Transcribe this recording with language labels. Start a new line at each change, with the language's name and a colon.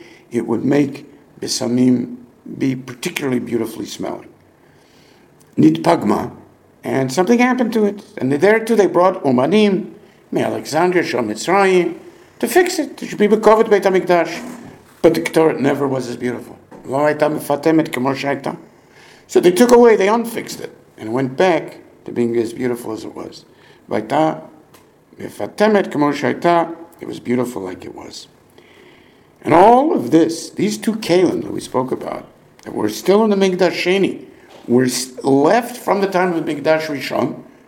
English: It would make besamim be particularly beautifully smelling. Nitpagma. And something happened to it. And there too they brought umanim,
Hebrew: me Alexandria, Shel Mitzrayim,
English: to fix it. It should be covered by Beit HaMikdash. But the Ketoret never was as beautiful.
Hebrew: לא הייתה מפתמת כמו שהייתה.
English: So they took away, they unfixed it, and went back to being as beautiful as it was.
Hebrew: והייתה מפתמת כמו שהייתה,
English: it was beautiful like it was. And all of this, these two kelim that we spoke about, that were still in the Mikdash Sheni, were left from the time of the Mikdash Rishon.